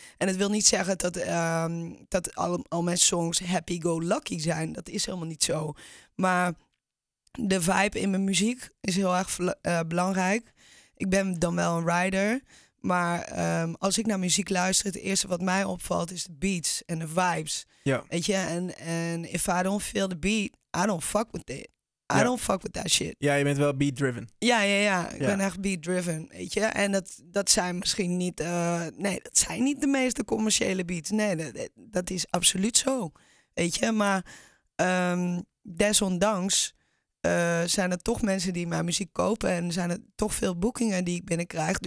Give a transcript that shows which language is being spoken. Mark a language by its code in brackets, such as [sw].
[nl] En het wil niet zeggen dat al mijn songs happy-go-lucky zijn. Dat is helemaal niet zo. Maar de vibe in mijn muziek is heel erg belangrijk. Ik ben dan wel een rider. Maar als ik naar muziek luister, het eerste wat mij opvalt is de beats en de vibes. Ja. Weet je? En [en] if I don't feel the beat, I don't fuck with it. I don't fuck with that shit. [nl] Ja, je bent wel beat driven. Ja. Ik ben echt beat driven, weet je. En dat zijn misschien niet, dat zijn niet de meeste commerciële beats. Nee, dat is absoluut zo, weet je. Maar desondanks zijn er toch mensen die mijn muziek kopen en zijn er toch veel boekingen die ik binnenkrijg.